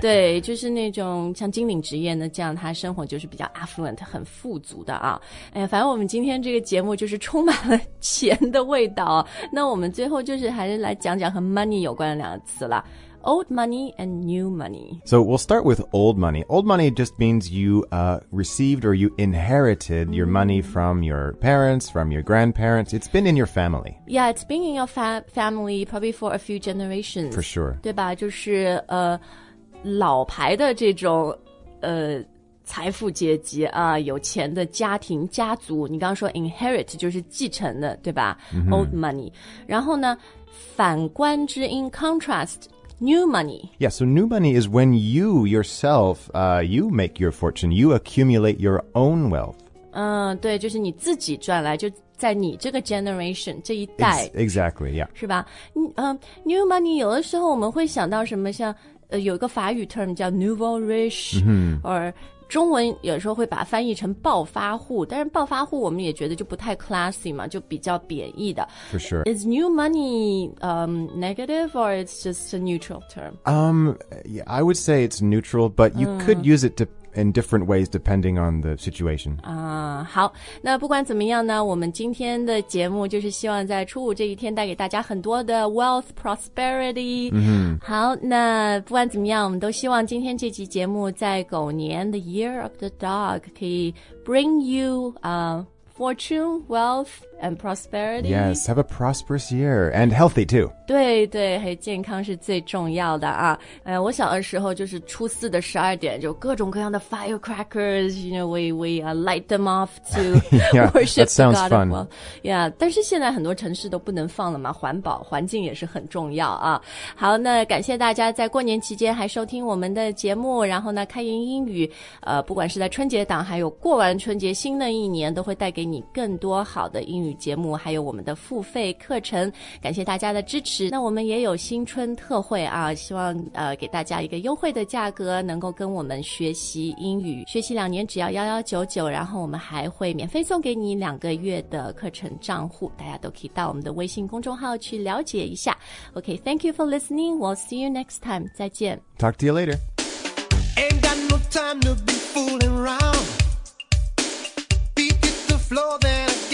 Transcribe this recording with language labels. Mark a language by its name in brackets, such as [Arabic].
[Chinese] 对就是那种像金领职业呢这样他生活就是比较 affluent 很富足的啊哎呀反正我们今天这个节目就是充满了钱的味道那我们最后就是还是来讲讲和 money 有关的两个词啦 [English] old money and new money so we'll start with old money old money just means you received or you inherited your money from your parents from your grandparents it's been in your family yeah it's been in your family probably for a few generations for sure [Chinese] 对吧就是老牌的这种财富阶级啊有钱的家庭家族你刚刚说 inherit 就是继承的对吧、 mm-hmm. [English] old money [Chinese] 然后呢反观之 [English] in contrast new money yeah so new money is when you yourself you make your fortune you accumulate your own wealth [Chinese] 对就是你自己赚来就在你这个 generation 这一代 [English] exactly yeah [Chinese] 是吧new money 有的时候我们会想到什么像有一个法语 term 叫 nouveau riche、 mm-hmm. or 中文有时候会把翻译成暴发户但是暴发户我们也觉得就不太 classy 嘛就比较贬义的 [English] for sure is new money negative or it's just a neutral term yeah, I would say it's neutral but you could use it to in different ways depending on the situation [Chinese] 好那不管怎么样呢我们今天的节目就是希望在初五这一天带给大家很多的 wealth prosperity、 mm-hmm. 好那不管怎么样我们都希望今天这期节目在狗年 [English] the year of the dog [Chinese] 可以 [English] bring you fortune, wealth, and prosperity. Yes, have a prosperous year, and healthy too. [Chinese] 对对，嘿，健康是最重要的啊。我小的时候就是初四的十二点，就各种各样的 firecrackers, [English] you know, we light them off to yeah, worship that sounds God fun. [Chinese] Yeah, 但是现在很多城市都不能放了嘛，环保，环境也是很重要啊。好，那感谢大家在过年期间还收听我们的节目，然后呢，开言英语，不管是在春节档，还有过完春节新的一年，都会带给你更多好的英语节目，还有我们的付费课程。感谢大家的支持。那我们也有新春特惠啊，希望给大家一个优惠的价格，能够跟我们学习英语，学习两年只要1199，然后我们还会免费送给你两个月的课程账户，大家都可以到我们的微信公众号去了解一下。 [English] Okay, thank you for listening. We'll see you next time. [Chinese] 再见。 [English] Talk to you later. Ain't got no time to be fooling around. Beat it the floor then.